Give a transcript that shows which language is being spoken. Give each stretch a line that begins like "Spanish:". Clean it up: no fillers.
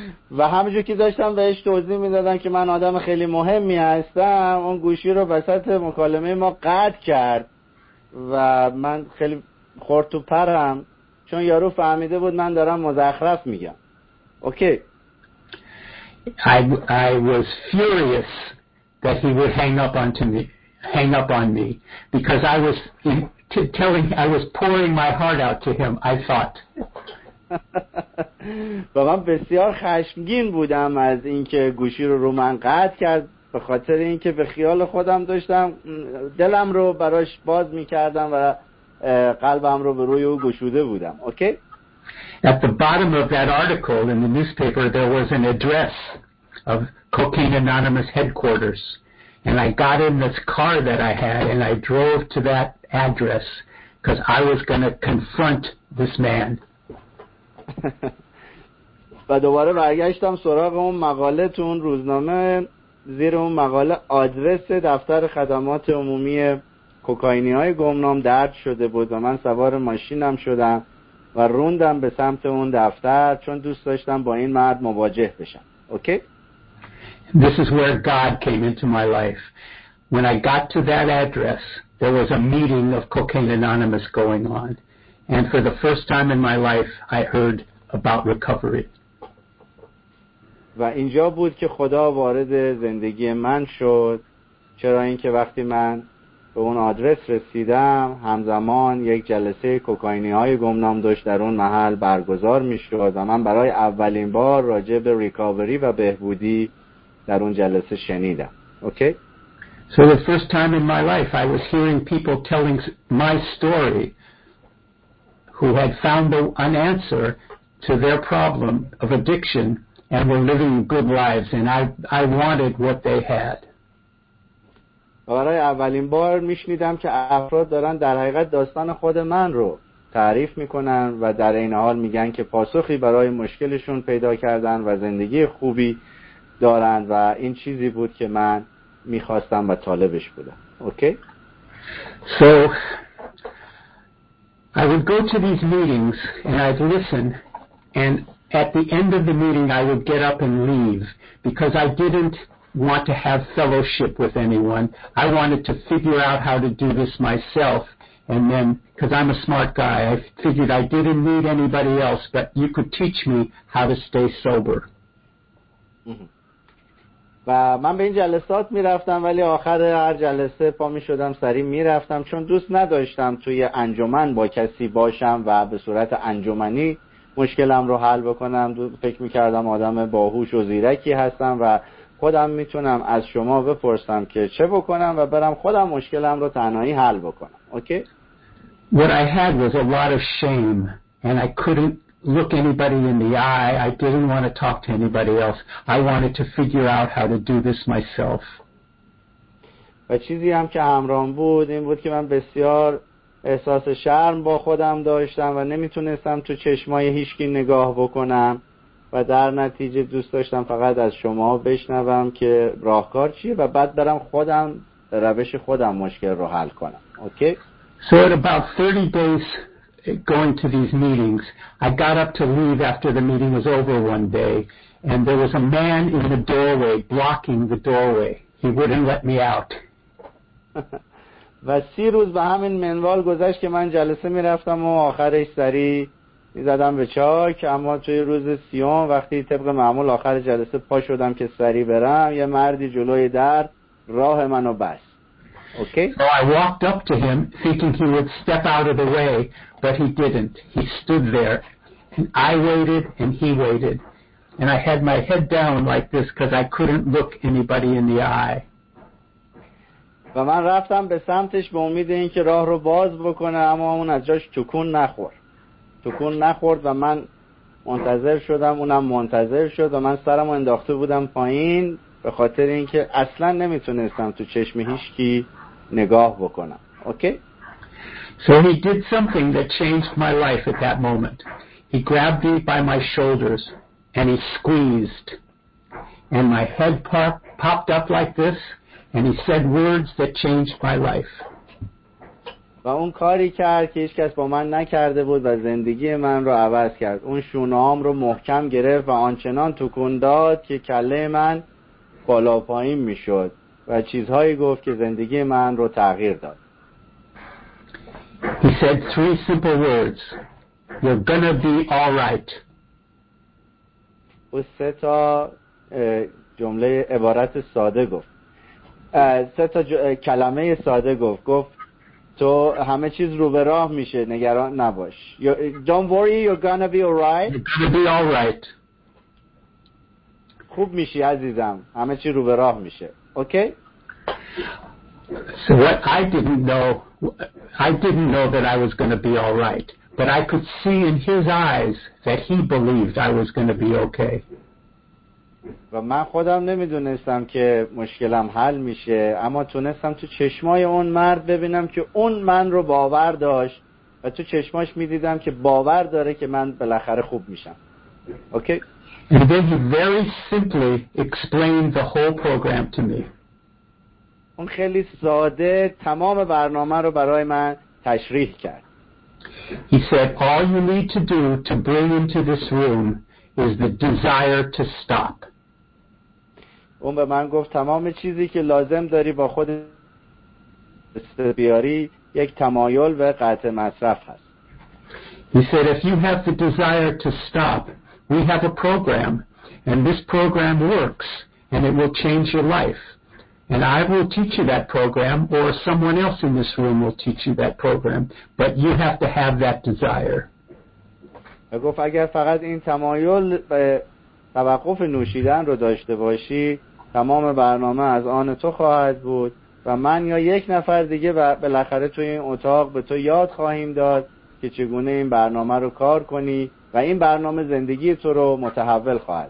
Persian: و همونجوری که داشتم بهش توضیح میدادم که من آدم خیلی مهمی هستم، اون گوشی رو وسط مکالمه ما قطع کرد و من خیلی خورد تو پرم چون یارو فهمیده بود من دارم مزخرف میگم. اوکی.
English: I was furious that he would hang up on me because I was pouring my heart out to him, I thought.
Persian: و من بسیار خشمگین بودم از اینکه گوشی رو من قطع کرد، به خاطر اینکه به خیال خودم داشتم دلم رو براش باز میکردم و قلبم رو به روی او گشوده بودم. اوکی.
English: At the bottom of that article in the newspaper there was an address of Cocaine Anonymous headquarters and I got in this car that I had and I drove to that address because I was going to confront this man.
Persian: و دوباره برگشتم سراغ اون مقاله تو اون روزنامه، زیر اون مقاله آدرس دفتر خدمات عمومی کوکائینی های گمنام درد شده بود و من سوار ماشینم شدم و روندم به سمت اون دفتر چون دوست داشتم با این مرد مواجه بشم. اوکی؟
English: This is where God came into my life. When I got to that address, there was a meeting of Cocaine Anonymous going on. And for the first time in my life, I heard about recovery.
Persian: و اینجا بود که خدا وارد زندگی من شد. چرا اینکه وقتی من به اون آدرس رسیدم همزمان یک جلسه کوکائینی های گمنام داشت در اون محل برگزار می شد و من برای اولین بار راجع به ریکاوری و بهبودی در اون جلسه شنیدم. اوکی؟
English: So the first time in my life I was hearing people telling my story who had found an answer to their problem of addiction and were living good lives and I wanted what they had.
Persian: برای اولین بار میشنیدم که افراد دارن در حقیقت داستان خود من رو تعریف میکنن و در این حال میگن که پاسخی برای مشکلشون پیدا کردن و زندگی خوبی دارن و این چیزی بود که من میخواستم و طالبش بودم. اوکی؟
English: So I would go to these meetings and I'd listen and at the end of the meeting I would get up and leave because I didn't want to have fellowship with anyone. I wanted to figure out how to do this myself. And then, because I'm a smart guy, I figured I didn't need anybody else, but you could teach me how to stay sober.
Persian: و من به این جلسات میرفتم ولی آخر هر جلسه پا میشدم سریع میرفتم چون دوست نداشتم توی انجمن با کسی باشم و به صورت انجمنی مشکلم رو حل بکنم. فکر میکردم آدم باهوش و زیرکی هستم و خودم میتونم از شما بپرسم که چه بکنم و برم خودم مشکلم رو تنهایی حل بکنم. اوکی؟
English: What I had was a lot of shame and I couldn't look anybody in the eye. I didn't want to talk to anybody else. I wanted to figure out how to do this myself.
Persian: و چیزی هم که همراهم بود این بود که من بسیار احساس شرم با خودم داشتم و نمیتونستم تو چشمای هیچکی نگاه بکنم و در نتیجه دوست داشتم فقط از شما بشنوم که راهکار چیه و بعد برم خودم به روش خودم مشکل رو حل کنم. اوکی؟
English: So at about 30 days going to these meetings, I got up to leave after the meeting was over one day, and there was a man in the doorway blocking the doorway. He wouldn't let me out.
Persian: و 30 روز به همین منوال گذشت که من جلسه میرفتم و آخرش سری میزدم به چاک، اما توی روز 30 وقتی طبق معمول آخر جلسه پا شدم که سری برم، یه مردی جلوی در راه منو بست. Okay.
English: So I walked up to him thinking he would step out of the way, but he didn't. He stood there and I waited and he waited. And I had my head down like this because I couldn't look anybody in the eye.
Persian: و من رفتم به سمتش به امید اینکه راه رو باز بکنه، اما اون از جاش تکون نخورد. تکون نخورد و من منتظر شدم، اونم منتظر شد و من سرمو انداخته بودم پایین به خاطر اینکه اصلا نمیتونستم تو چشم هیچکی نگاه بکنم. اوکی؟
English: So he did something that changed my life at that moment. He grabbed me by my shoulders and he squeezed and my head popped up like this and he said words that changed my life.
Persian: و اون کاری کرد که هیچ کس با من نکرده بود و زندگی من رو عوض کرد. اون شونه‌ام رو محکم گرفت و آنچنان تکون داد که کله من بالا پایین میشد و چیزهایی گفت که زندگی من رو تغییر داد.
English: He said three simple words. You're gonna be all right.
Persian: او سه تا جمله عبارت ساده گفت. سه تا کلمه ساده گفت. گفت تو همه چیز رو به راه میشه، نگران نباش.
English: Don't worry, you're gonna be all right. You're gonna be all right.
Persian: خوب میشی عزیزم، همه چی رو به راه میشه. اوکی؟
English: So what I didn't know that I was going to be all right, but I could see in his eyes that he believed I was going to be okay.
Persian: و من خودم نمیدونستم که مشکلم حل میشه، اما تونستم تو چشمای اون مرد ببینم که اون من رو باور داشت و تو چشماش میدیدم که باور داره که من بالاخره خوب میشم. اوکی؟
English: And then he very simply explained the whole program to me.
Persian: اون خیلی ساده تمام برنامه رو برای من تشریح کرد.
English: He said all you need to do to bring into this room is the desire to stop.
Persian: اون به من گفت تمام چیزی که لازم داری با خود بیاری یک تمایل و قطع مصرف هست.
English: He said if you have the desire to stop, we have a program and this program works and it will change your life. And I will teach you that program, or someone else in this room will teach you that program, but you have to have that desire.
Persian: I گفت اگر فقط این تمایل به توقف نوشیدن رو داشته باشی، تمام برنامه از آن تو خواهد بود و من یا یک نفر دیگه بالاخره تو این اتاق به تو یاد خواهیم داد که چگونه این برنامه رو کار کنی و این برنامه زندگی تو رو متحول خواهد